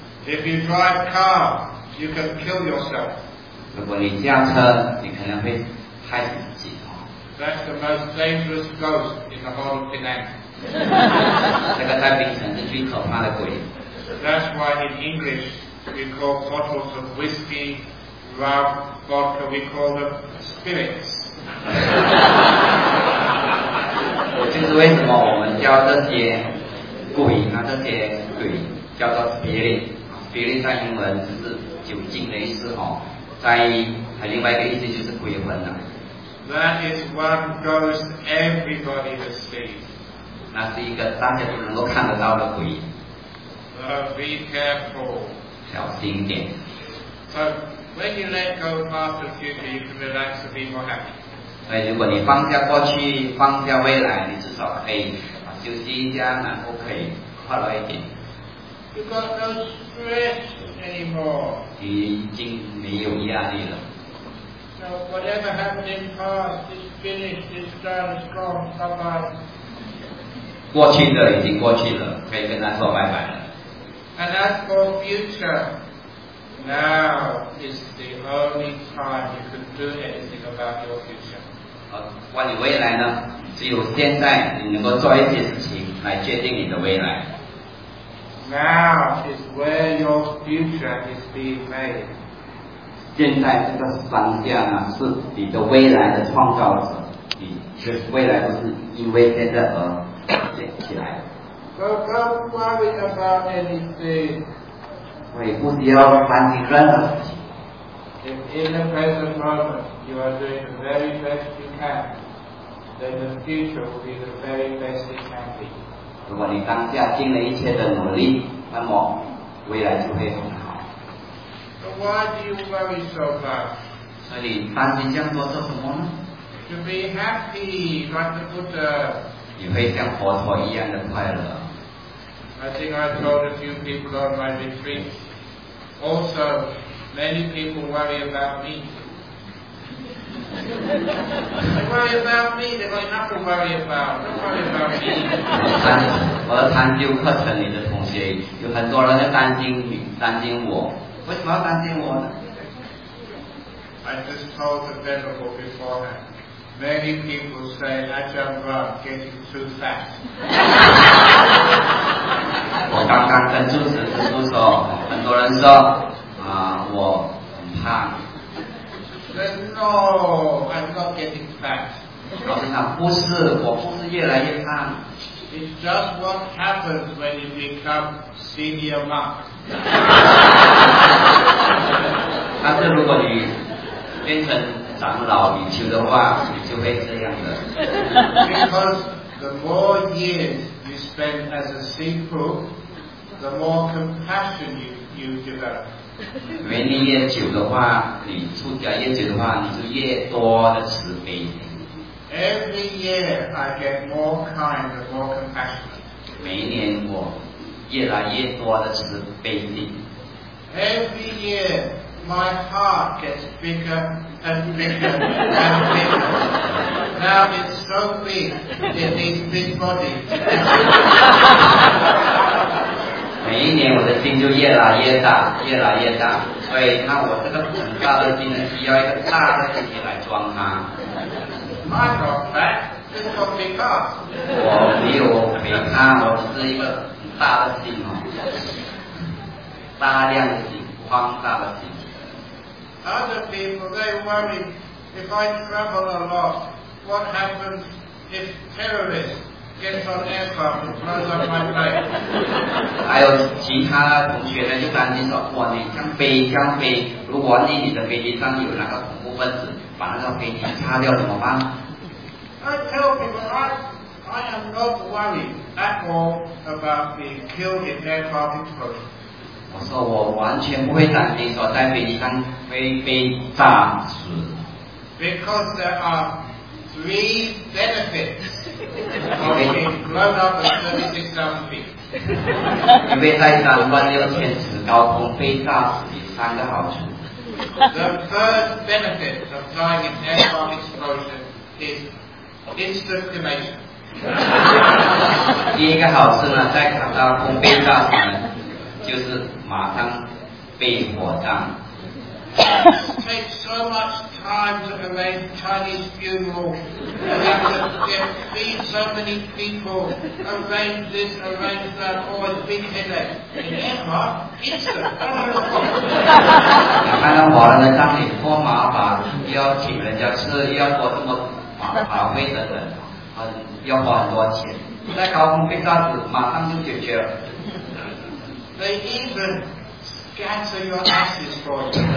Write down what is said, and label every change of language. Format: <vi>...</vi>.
<en>If you drive car, you can kill yourself.</en> <zh>如果你驾车，你可能会害死自己。</zh> <en>That's the most dangerous ghost in the whole of Penang.</en> <zh>这个在槟城是最可怕的鬼。</zh> <en>That's why in English we call bottles of whiskey. Rum, vodka, we call them spirits.</en> <zh>我就是为什么我们叫这些鬼啊，这些鬼叫做 spirit. Spirit 在英文就是酒精的意思哦，在另外一个意思就是鬼魂了。</zh> <en>That is one ghost everybody has seen.</en> <zh>那是一个大家都能够看得到的鬼。</zh> <en>So be careful.</en> <zh>小心一点。</zh> <en>When you let go of past and future, you can relax and be more happy.</en> <zh>所以如果你放下过去，放下未来，你至少可以休息一下，然后可以快乐一点。</zh> <en>You've got no stress anymore.</en> <zh>你已经没有压力了。</zh> <en>So whatever happened in past is finished, is done, is gone, bye bye.</en> <zh>过去的已经过去了，可以跟他说拜拜了。</zh> <en>And as for future. Now is the only time you can do anything about your future.</en> <zh>关于未来呢，只有现在你能够做一些事情来决定你的未来。</zh> <en>Now is where your future is being made.</en> <zh>现在这个当下呢，是你的未来的创造者。你这未来不是因为现在而建起来。</zh> <en>So don't worry about anything.</en> <zh>所以不需要担心任何事情。</zh> <en>If in the present moment you are doing the very best you can, then the future will be the very best it can be.</en> <zh>如果你当下尽了一切的努力，那么未来就会很好。</zh> <en>So why do you worry so much?</en> <zh>所以担心这么多做什么呢？</zh> <en>To be happy, like the Buddha.</en> <zh>你会像佛陀一样的快乐。</zh> <en>I think I've told a few people on my retreat. Also, many people worry about me. They worry about me, they've got enough to worry about. Don't worry about me.</en> <zh>我的参修课程里的同学有很多人在担心我。为什么要担心我呢？</zh> <en>I just told the venerable beforehand. Many people say, Ajahn Brahm getting too fat.</en> <zh>我刚刚跟住持师父说，很多人说我很胖。</zh> <en>Then no, I'm not getting fat.</en> <zh>我跟他不是，我不是越来越胖。</zh> <en>It's just what happens when you become senior monk.</en> <zh>但是如果你变成长老比丘的话，你就会这样的。</zh> <en>Because the more years you spend as a sifu. The more compassion you develop.</en> <zh>因为你越久的话，你出家越久的话，你就越多的慈悲。</zh> <en>Every year I get more kind and more compassionate.</en> <zh>每一年我越来越多的慈悲心。</zh> <en>Every year my heart gets bigger and bigger and bigger. Now it's so big it needs big bodies.</en> <zh>每一年我的心就越来越大，越来越大，所以那我这个很大的心呢，需要一个大的身体来装它。</zh> <en>I got fat, just got bigger.</en> <zh>我没有肥胖，我只是一个很大的心哦，大量的心。帮大的品质。</zh> <en>Other people, they worry, if I travel a lot, what happens if terrorists get on aircraft and blows up my plane?</en> <zh>还有其他同学呢，就担心说，哇，你像飞，如果你的飞机上有那个恐怖分子把那个飞机炸掉怎么办？</zh> <en>I tell people, I am not worried at all about being killed in aircraft explosions.</en> <zh>我说我完全不会担心说在飞机上会被炸死。</zh> <en>Because there are three benefits of being blown up at 36,000 feet.</en> <zh>因为在36,000尺高空被炸死有三个好处。</zh> <en>The third benefit of dying in aircraft explosion is instant cremation.</en> <zh>第一个好处呢，在高空被炸死呢，就是。马上被火葬。</zh> <en>It takes so much time to arrange Chinese funerals. You have to feed so many people, arrange this, arrange that, always big headache. In Denmark, it's a problem.</en> <zh>多麻烦，要请人家吃，要花这么麻烦费等等，要花很多钱。在高空被炸死，马上就解决了。</zh> <en>They even scatter your ashes for</en>